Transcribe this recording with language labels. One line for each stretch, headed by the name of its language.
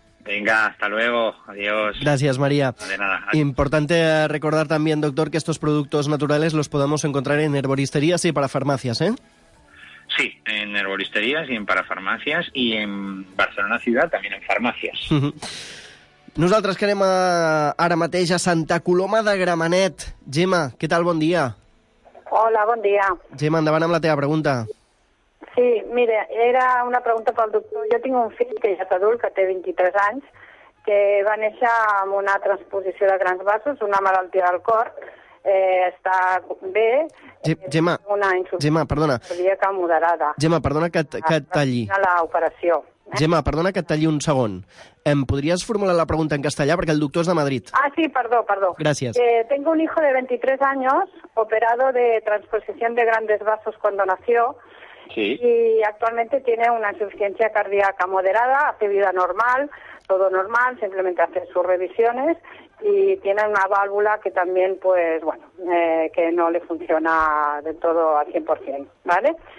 Spanish: Venga, hasta luego. Adiós. Gracias, María. De nada. Adiós. Importante recordar también, doctor, que estos productos naturales los podemos encontrar en herboristerías y parafarmacias, ¿eh? Sí, en herboristerías y en parafarmacias y en Barcelona ciudad también en farmacias.
Catalan: Nosaltres que anem ara mateix a Santa Coloma de Gramenet. Gemma, què tal? Bon dia. Hola, bon dia. Gemma, endavant amb la teva pregunta. Sí, mira, era una pregunta pel doctor. Jo tinc un fill que ja és adult, que té 23 anys, que va néixer amb una transposició de grans vasos, una malaltia del cor. Està bé. Gemma, perdona. Cardíaca moderada. Gemma, perdona que et talli. A l'operació. Gemma, perdona que et talli un segon. Em podries formular la pregunta en castellà, perquè el doctor és de Madrid. Ah, sí, perdó. Gràcies.
Spanish: Tengo un hijo de 23 años, operado de transposición de grandes vasos cuando nació. Sí. Y actualmente tiene una insuficiencia cardíaca moderada, hace vida normal, todo normal, simplemente hace sus revisiones y tiene una válvula que también, pues bueno, que no le funciona del todo al 100%, ¿vale?